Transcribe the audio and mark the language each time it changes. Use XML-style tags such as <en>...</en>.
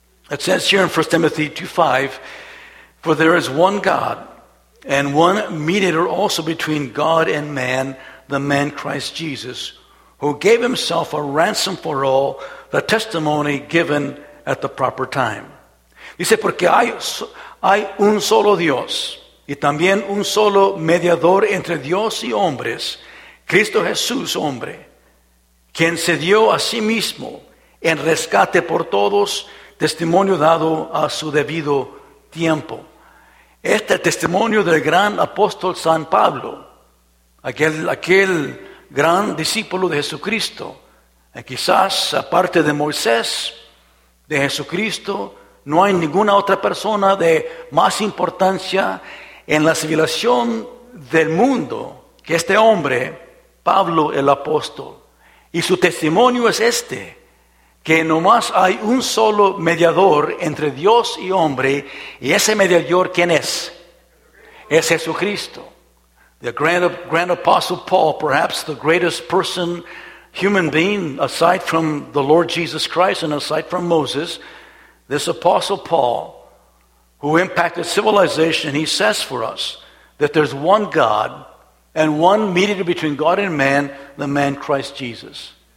<en>It says here in 1 Timothy 2:5, "For there is one God, and one mediator also between God and man, the man Christ Jesus, who gave himself a ransom for all, the testimony given at the proper time."</en> <es>Dice, porque hay un solo Dios, y también un solo mediador entre Dios y hombres, Cristo Jesús, hombre, quien se dio a sí mismo en rescate por todos, testimonio dado a su debido tiempo. Este testimonio del gran apóstol San Pablo, aquel gran discípulo de Jesucristo, quizás aparte de Moisés, de Jesucristo, no hay ninguna otra persona de más importancia en la civilización del mundo que este hombre, Pablo el apóstol. Y su testimonio es este, que nomás hay un solo mediador entre Dios y hombre, y ese mediador, ¿quién es? Es Jesucristo.</es> <en>The grand apostle Paul, perhaps the greatest person, human being, aside from the Lord Jesus Christ and aside from Moses, this apostle Paul, who impacted civilization, he says for us that there's one God and one mediator between God and man, the man Christ Jesus.</en>